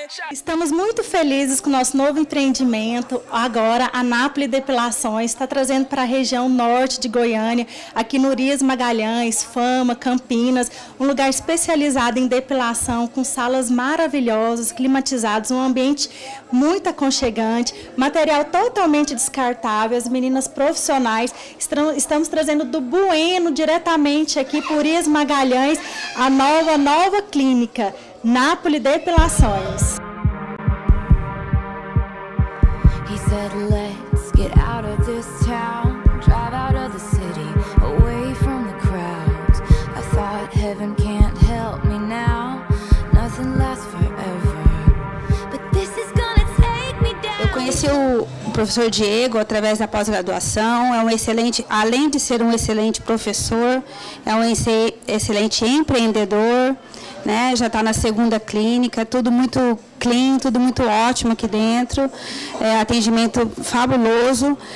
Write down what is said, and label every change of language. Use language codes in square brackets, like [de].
[pt] Estamos muito felizes com o nosso novo empreendimento. Agora, a Anápolis Depilações está trazendo para a região norte de Goiânia, aqui no Urias Magalhães, Fama, Campinas, um lugar especializado em depilação, com salas maravilhosas, climatizadas, um ambiente muito aconchegante, material totalmente descartável, as meninas profissionais. Estamos trazendo do Bueno, diretamente aqui para o Urias Magalhães, a nova clínica, Anápolis Depilações. [en] Let's get out of this town, drive out of the city, away from the crowds. I thought heaven can't help me now, nothing lasts forever, but this is gonna take me down. [pt] Eu conheci o professor Diego através da pós-graduação. É um excelente, além de ser um excelente professor, é um excelente empreendedor, né? Já está na segunda clínica, tudo muito clean, tudo muito ótimo aqui dentro, atendimento fabuloso.